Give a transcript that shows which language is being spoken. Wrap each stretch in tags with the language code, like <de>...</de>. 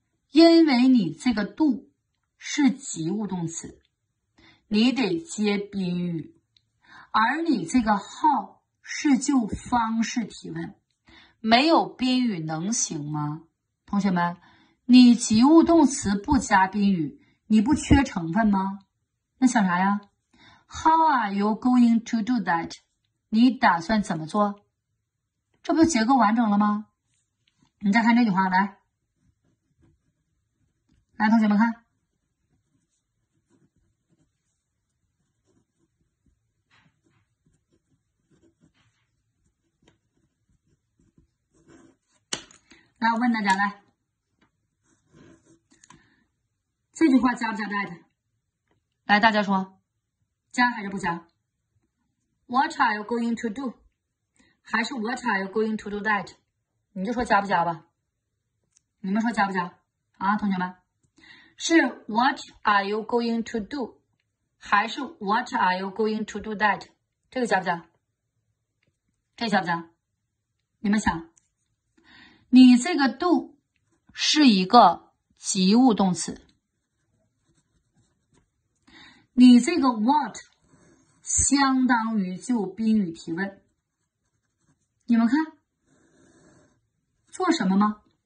<zh>因为你这个 do 是及物动词，你得接宾语，而你这个 how 是就方式提问，没有宾语能行吗？同学们，你及物动词不加宾语，你不缺成分吗？那想啥呀？</zh> <en>How are you going to do that?</en> <zh>你打算怎么做？这不就结构完整了吗？你再看这句话，来。来，同学们看。来，我问大家，来。这句话加不加 that？来，大家说，加还是不加 ？</zh> <en>What are you going to do？</en> <zh>还是</zh> <en>What are you going to do that？</en> <zh>你就说加不加吧。你们说加不加？啊，同学们，是</zh> <en>What are you going to do？</en> <zh>还是</zh> <en>What are you going to do that？</en> <zh>这个加不加？这个、加不加？你们想，你这个 do 是一个及物动词。你这个 what 相当于就宾语提问，你们看，做什么吗？</zh>